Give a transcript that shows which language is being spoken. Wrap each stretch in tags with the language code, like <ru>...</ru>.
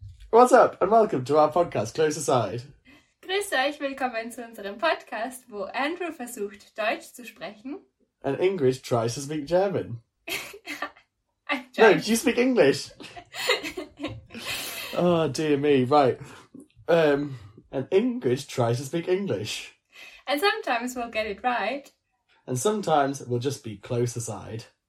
<en>What's up, and welcome to our podcast, Close Aside.</en> <de>Grüß euch, willkommen zu unserem Podcast, wo Andrew versucht, Deutsch zu sprechen.</de> <en>And Ingrid tries to speak German. No, you speak English. Oh, dear me, right. And Ingrid tries to speak English. And sometimes we'll get it right. And sometimes we'll just be close aside.</en>